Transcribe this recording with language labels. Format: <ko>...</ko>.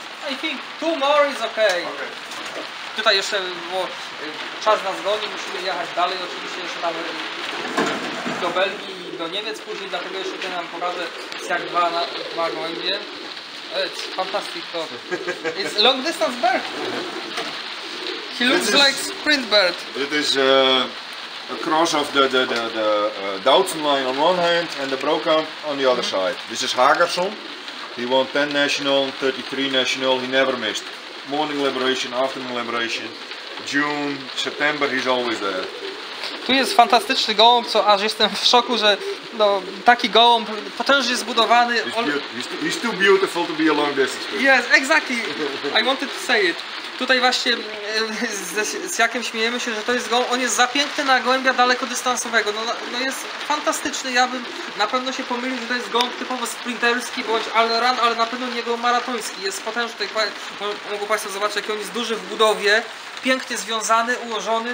<en>I think two more is okay. Okay.</en> <pl>Tutaj jeszcze, bo czas nas goni, musimy jechać dalej, oczywiście jeszcze tam do Belgii i do Niemiec później, dlatego jeszcze tutaj nam pokażę jak dwa gołębie.</pl> <en>Fantastic to. It's long distance bird. He looks like sprint bird. It is a cross of the Doutzen line on one hand and the Brokamp on the other side. This is Hagerson. He won 10 national, 33 national, he never missed. Morning liberation, afternoon liberation, June, September, he's always there.</en> <pl>Tu jest fantastyczny gołąb, co aż jestem w szoku, że no, taki gołąb potężnie zbudowany.</pl> <en>He's too beautiful to be a long distance bird. Yes, exactly. I wanted to say it.</en> <pl>Tutaj właśnie z Jakiem śmiejemy się, że to jest gołąb. On jest za piękny na gołębia dalekodystansowego. No, no jest fantastyczny. Ja bym na pewno się pomylił, że to jest gołąb typowo sprinterski bądź Alleran, ale na pewno nie gołąb maratoński. Jest potężny. Tutaj, mogą Państwo zobaczyć, jaki on jest duży w budowie. Pięknie związany, ułożony.</pl>